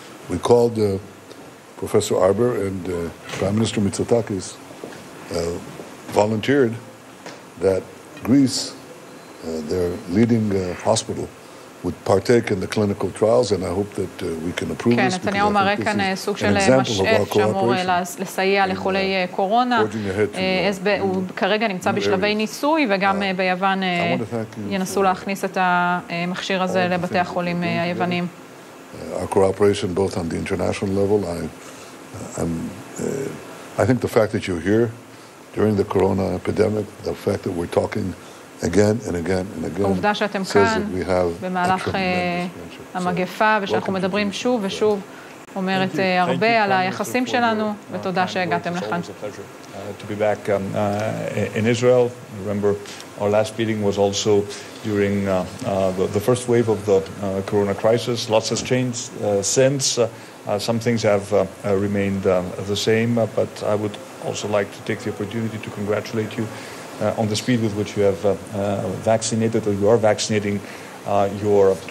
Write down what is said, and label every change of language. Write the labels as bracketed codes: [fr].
[en] We called Professor Arbour, and Prime Minister Mitsotakis volunteered that Greece, their leading hospital, would partake in the clinical trials, and I hope that we can approve this, because I think this is an example of our cooperation. [he] הוא כרגע נמצא בשלבי ניסוי, וגם ביוון ינסו להכניס את המכשיר הזה לבתי החולים היוונים. [en] Our cooperation both on the international level, I think the fact that you're here during the corona epidemic, the fact that we're talking again and again and again, [he] העובדה שאתם כאן במהלך המגפה ושאנחנו מדברים שוב ושוב אומרת הרבה על היחסים שלנו, ותודה שהגעתם לכאן. [en] To be back in Israel. Remember, our last meeting was also during the first wave of the corona crisis. Lots has changed since. Some things have remained the same, but I would also like to take the opportunity to congratulate you on the speed with which you have vaccinated, or you are vaccinating your